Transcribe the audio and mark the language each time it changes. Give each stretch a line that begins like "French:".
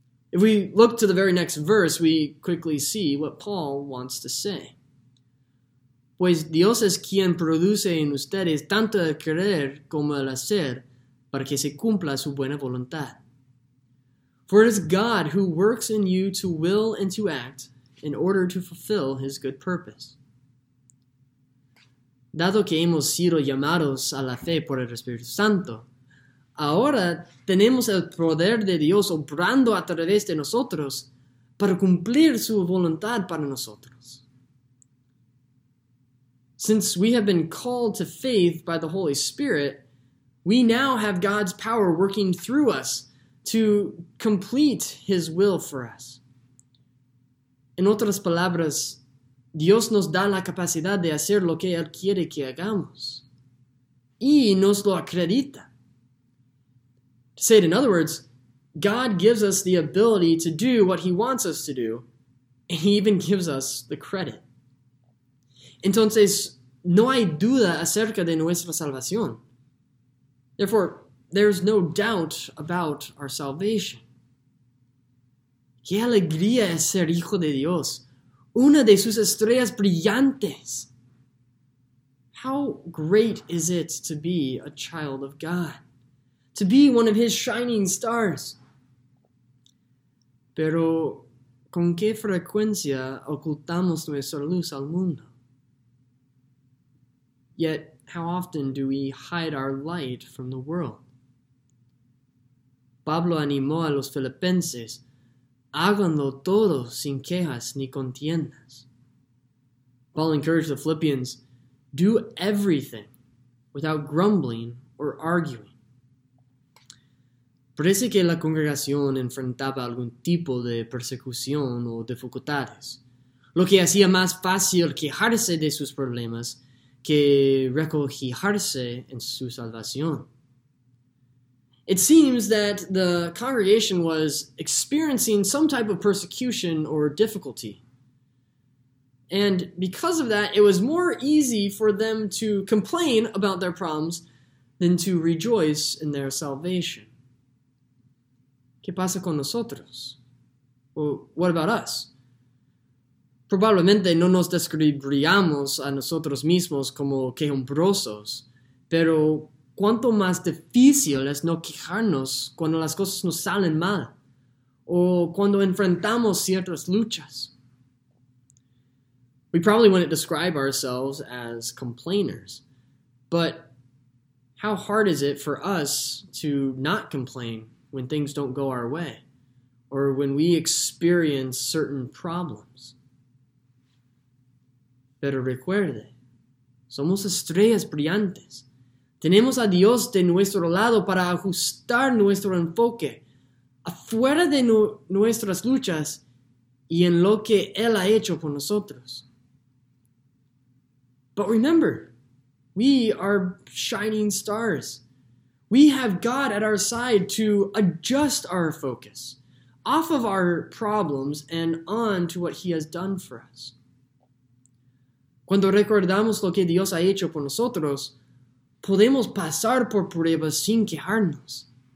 English: If we look to the very next verse, we quickly see what Paul wants to say.
Spanish: Pues Dios es quien produce en ustedes tanto el querer como el hacer para que se cumpla su buena voluntad.
English: For it is God who works in you to will and to act in order to fulfill his good purpose.
Spanish: Dado que hemos sido llamados a la fe por el Espíritu Santo, ahora tenemos el poder de Dios obrando a través de nosotros para cumplir su voluntad para nosotros.
English: Since we have been called to faith by the Holy Spirit, we now have God's power working through us to complete his will for us.
Spanish: En otras palabras, Dios nos da la capacidad de hacer lo que Él quiere que hagamos. Y nos lo acredita.
English: To say it in other words, God gives us the ability to do what he wants us to do, and he even gives us the credit.
Spanish: Entonces, no hay duda acerca de nuestra salvación.
English: Therefore, there's no doubt about our salvation.
Spanish: ¡Qué alegría es ser hijo de Dios! ¡Una de sus estrellas brillantes!
English: How great is it to be a child of God? To be one of his shining stars.
Spanish: Pero, ¿con qué frecuencia ocultamos nuestra luz al mundo?
English: Yet, how often do we hide our light from the world?
Spanish: Pablo animó a los filipenses, háganlo todo sin quejas ni contiendas.
English: Paul encouraged the Philippians, do everything without grumbling or arguing.
Spanish: Parece que la congregación enfrentaba algún tipo de persecución o dificultades, lo que hacía más fácil quejarse de sus problemas que regocijarse en su salvación.
English: It seems that the congregation was experiencing some type of persecution or difficulty. And because of that, it was more easy for them to complain about their problems than to rejoice in their salvation.
Spanish: ¿Qué pasa con nosotros?
English: Well, what about us?
Spanish: Probablemente no nos describiríamos a nosotros mismos como quejumbrosos, pero ¿cuánto más difícil es no quejarnos cuando las cosas nos salen mal o cuando enfrentamos ciertas luchas?
English: We probably wouldn't describe ourselves as complainers, but how hard is it for us to not complain when things don't go our way or when we experience certain problems?
Spanish: Pero recuerde, somos estrellas brillantes. Tenemos a Dios de nuestro lado para ajustar nuestro enfoque afuera de nuestras luchas y en lo que Él ha hecho por nosotros.
English: But remember, we are shining stars. We have God at our side to adjust our focus off of our problems and on to what He has done for us.
Spanish: Cuando recordamos lo que Dios ha hecho por nosotros, podemos pasar por pruebas sin quejarnos.